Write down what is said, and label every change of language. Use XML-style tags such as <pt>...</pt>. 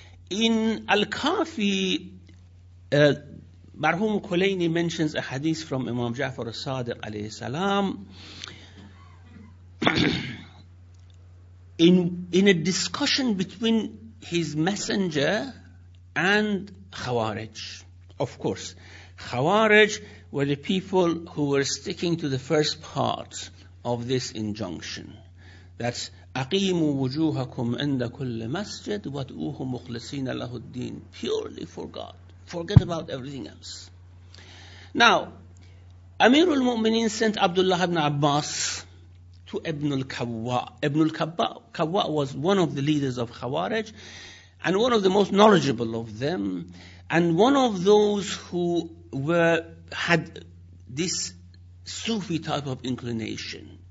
<en>In Al-Kafi, Marhum Khulaini mentions a hadith from Imam Ja'far al-Sadiq alayhi salam, in a discussion between his messenger and Khawarij. Of course, Khawarij were the people who were sticking to the first part of this injunction. That's</en> <ar>أَقِيمُوا وُجُوهَكُمْ عِنْدَ كُلِّ مَسْجِدْ وَدْعُوهُ مُخْلِصِينَ لَهُ الدِّينَ.</ar> <en>Purely for God. Forget about everything else. Now, Amirul Mu'mineen sent Abdullah ibn Abbas to Ibn al-Kawwa. Ibn al-Kawwa was one of the leaders of Khawarij and one of the most knowledgeable of them, and one of those who had this Sufi type of inclination.</en>